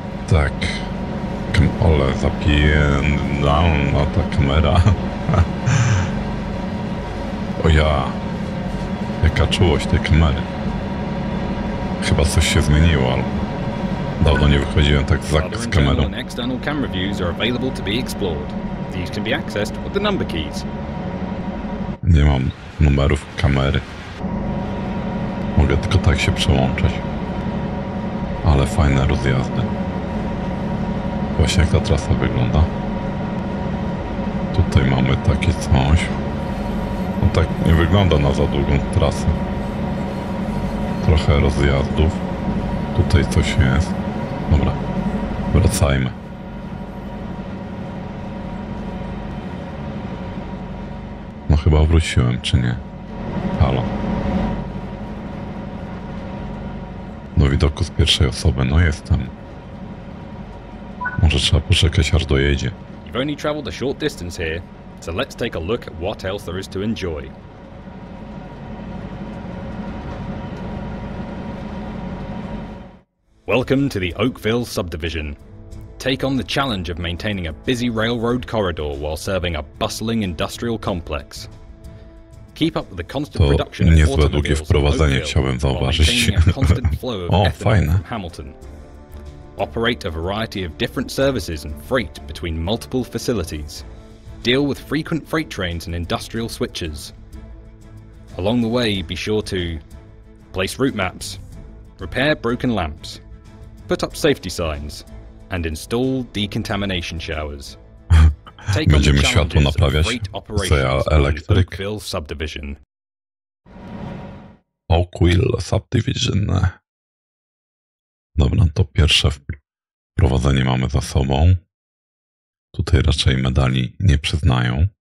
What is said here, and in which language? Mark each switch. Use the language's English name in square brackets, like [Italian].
[Polish] Tak. Ale zapierdala ta kamera. O ja. Jaka czułość tej kamery. Chyba coś się zmieniło, ale dawno nie wychodziłem tak z kamerą. [English] External camera views are available to be explored. These can be accessed with the number keys. [Polish] Nie mam numerów kamery. Mogę tylko tak się przełączać. Ale fajne rozjazdy. Właśnie jak ta trasa wygląda. Tutaj mamy takie coś. No tak nie wygląda na za długą trasę. Trochę rozjazdów. Tutaj coś jest. Dobra, wracajmy. Chyba wróciłem, czy nie? Halo. Do widoku z pierwszej osoby, no jestem. Może trzeba poczekać, aż dojedzie. [English] You've only traveled a short distance here, so let's take a look at what else there is to enjoy. Welcome to the Oakville Subdivision. Take on the challenge of maintaining a busy railroad corridor while serving a bustling industrial complex. Keep up with the constant production of [Polish] niezłe długie wprowadzenie, chciałbym zauważyć. O, fajne. Hamilton. [English] Operate a variety of different services and freight between multiple facilities. Deal with frequent freight trains and industrial switches. Along the way, be sure to place route maps, repair broken lamps, put up safety signs, and install decontamination showers. [Polish] Będziemy światło naprawiać. Zaja elektryk. Oakville Subdivision. Oakville Subdivision. Dobra, to pierwsze wprowadzenie mamy za sobą. Tutaj raczej medali nie przyznają.